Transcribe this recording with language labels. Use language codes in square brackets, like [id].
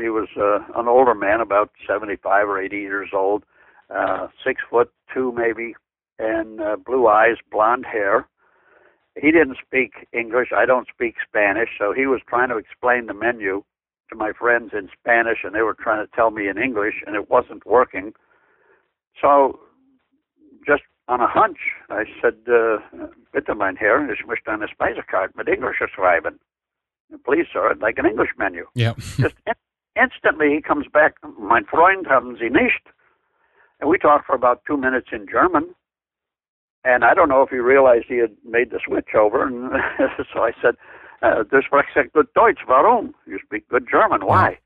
[en] He was an older man, about 75 or 80 years old, 6'2" maybe, and blue eyes, blonde hair. He didn't speak English. I don't speak Spanish. So he was trying to explain the menu to my friends in Spanish, and they were trying to tell me in English, and it wasn't working. So just on a hunch, I said, [de] bitte mein Herr, ich möchte eine Speisekarte mit Englisch schreiben. [en] Please, sir, I'd like an English menu. Yeah. Just instantly he comes back, [de] mein Freund, haben Sie nicht? [en] And we talked for about 2 minutes in German. And I don't know if he realized he had made the switch over. And so I said, [de] du sprichst gut Deutsch, warum? [en] You speak good German, why?